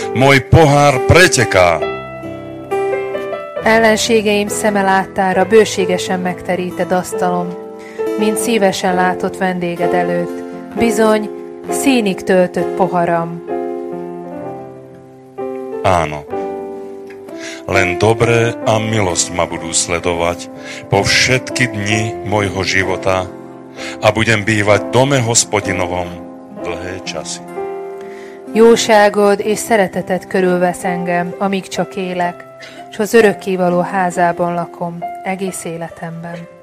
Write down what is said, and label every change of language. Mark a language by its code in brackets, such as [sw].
[sk] Môj pohár preteká. [hu] Ellenségeim szeme láttára bőségesen megteríted asztalom, mint szívesen látott vendéged előtt. Bizony, színig töltött poharam. [sk] Áno. Len dobré a milosť ma budú sledovať po všetky dni mojho života a budem bývať v dome hospodinovom dlhé časy. [hu] Jóságod és szeretetet körülvesz engem, amíg csak élek, s az örökkévaló házában lakom egész életemben.